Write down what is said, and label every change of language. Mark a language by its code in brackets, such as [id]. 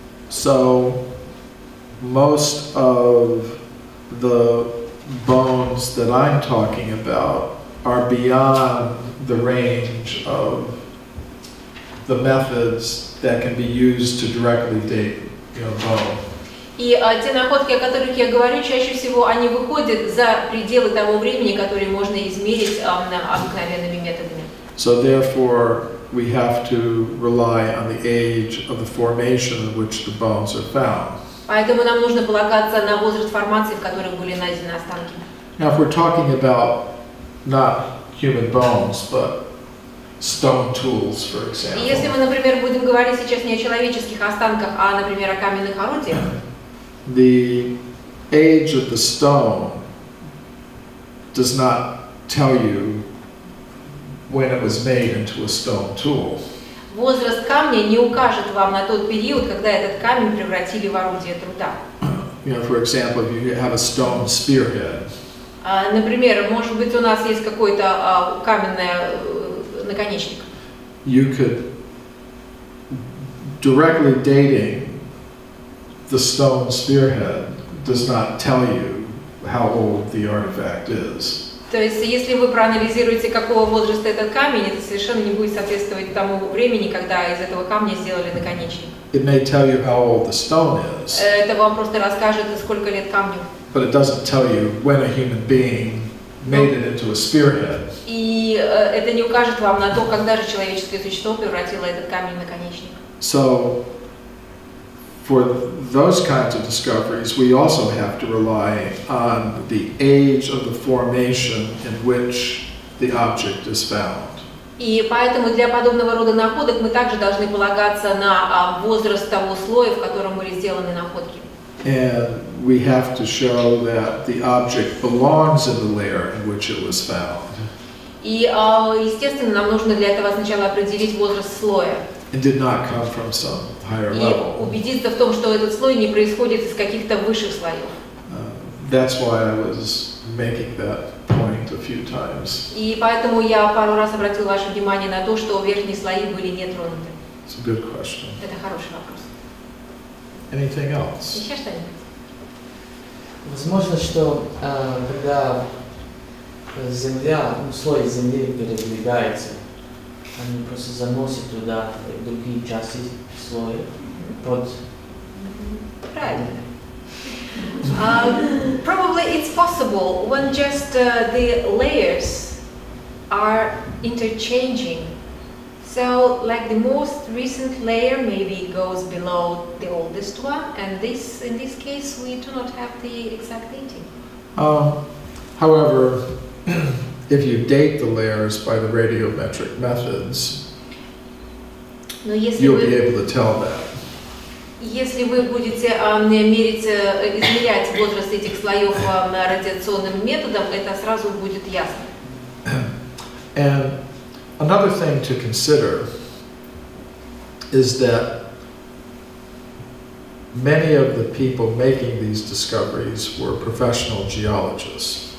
[en] So, most of the bones that I'm talking about are beyond the range of the methods that can be used to directly date a bone. [ru] И те находки, о которых я говорю, чаще всего они выходят за пределы того времени, которое можно измерить обыкновенными методами. [en] So therefore, we have to rely on the age of the formation in which the bones are found. [ru] Поэтому нам нужно полагаться на возраст формации, в которой были найдены останки. [en] Now, if we're talking about not human bones, but stone tools, for example. [ru] Если мы, например, будем говорить сейчас не о человеческих останках, а, например, о каменных орудиях. [en] The age of the stone does not tell you when it was made into a stone tool. [ru] Возраст камня не укажет вам на тот период, когда этот камень превратили в орудие труда. [en] You know, for example, if you have a stone spearhead. [ru] Например, может быть, у нас есть какой-то каменный наконечник. [en] You could directly dating the stone spearhead does not tell you how old the artifact is. [ru] То есть, если вы проанализируете, какого возраста этот камень, это совершенно не будет соответствовать тому времени, когда из этого камня сделали наконечник. [en] It may tell you how old the stone is. [ru] Это вам просто расскажет, сколько лет камню. [en] But it doesn't tell you when a human being made it into a spearhead. [ru] И это не укажет вам на то, когда же человеческое существо превратило этот камень в наконечник. [en] So, for those kinds of discoveries, we also have to rely on the age of the formation in which the object is found. [ru] И поэтому для подобного рода находок мы также должны полагаться на возраст того слоя, в котором были сделаны находки. [en] And we have to show that the object belongs in the layer in which it was found. [ru] И естественно, нам нужно для этого сначала определить возраст слоя. [en] And did not come from some higher level. [ru] И убедиться в том, что этот слой не происходит из каких-то высших слоев. [en] That's why I was making that point a few times. [ru] И поэтому я пару раз обратил ваше внимание на то, что верхние слои были не тронуты. [en] It's a good question. [ru] Это хороший вопрос. [en] Anything else? [ru] Еще что-нибудь? Возможно, что когда земля, ну, слой земли передвигается, они просто заносят туда другие части слоя под... Правильно. [en] Probably it's possible when just the layers are interchanging. So, like the most recent layer maybe goes below the oldest one, and this, in this case, we do not have the exact dating. However, if you date the layers by the radiometric methods, you'll be able to tell that. [ru] Если вы будете измерять возраст этих слоев радиационным методом, это сразу будет ясно. [en] And another thing to consider is that many of the people making these discoveries were professional geologists.